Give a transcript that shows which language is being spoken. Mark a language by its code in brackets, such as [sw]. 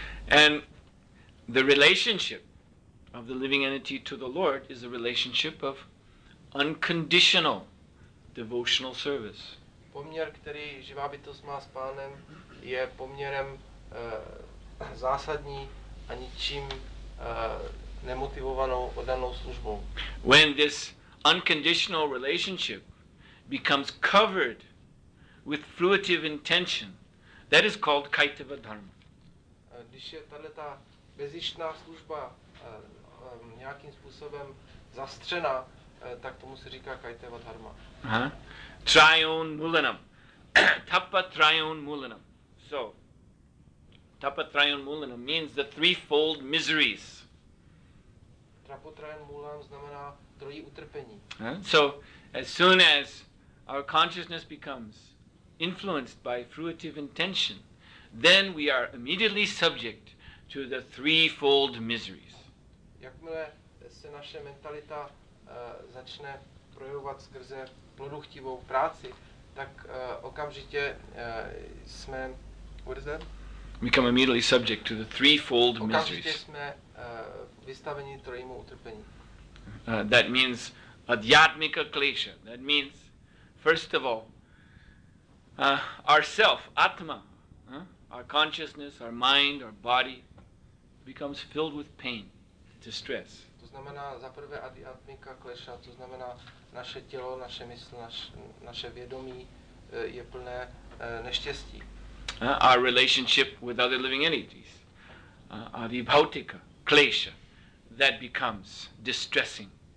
[en] And the relationship of the living entity to the Lord is a relationship of unconditional devotional service. [cs] Poměr, který živá bytost má s pánem, je poměrem zásadní a ničím nemotivovanou oddanou službou. [en] When this unconditional relationship becomes covered with fruitive intention, that is called Kaitava Dharma. [cs] Když je tahle ta bezišná služba nějakým způsobem zastřena, tak tomu se říká Kaitava Dharma. [sa] Trayon mulanam. Tapa trayon mulanam. [en] So, tapa trayon mulanam means the threefold miseries. [cs] Tapa trayon mulanam znamená trojí utrpení. [en] So, as soon as our consciousness becomes influenced by fruitive intention, then we are immediately subject to the threefold miseries. [cs] Jakmile se naše mentalita začne projevovat skrze produktivou práci, tak okamžitě jsme, [en] what is that? Become immediately subject to the threefold miseries. [cs] Okamžitě jsme vystaveni trojímu utrpení. [en] That means adhyatmika klesha. That means, first of all, our self, atma, our consciousness, our mind, our body becomes filled with pain, distress. [cs] To znamená za prvé adhyatmika klesha, to znamená naše tělo, naše mysl, naše vědomí je plné neštěstí. [en] Our relationship with other living entities, adhibhautika klesha, that becomes distressing.